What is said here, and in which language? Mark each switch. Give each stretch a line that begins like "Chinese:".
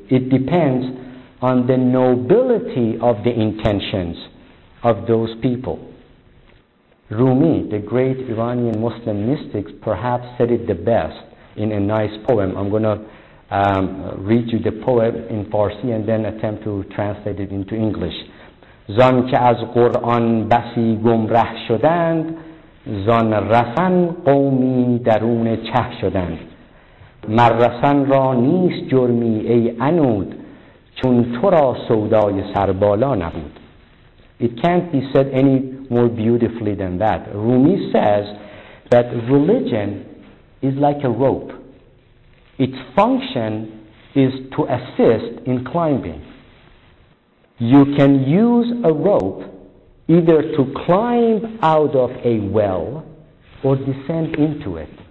English: It depends on the nobility of the intentions of those people. Rumi, the great Iranian Muslim mystic, perhaps said it the best in a nice poem. I'm going to read you the poem in Farsi and then attempt to translate it into English.
Persian: زان که از قرآن بسی گمره شدند زان رسن قومی درون چه شدند مر رسن را نیست جرمی ای انود چون تو را سودای سربالا نبود.
English: It can't be said any more beautifully than that. Rumi says that religion is like a rope. Its function is to assist in climbing. You can use a rope either to climb out of a well or descend into it.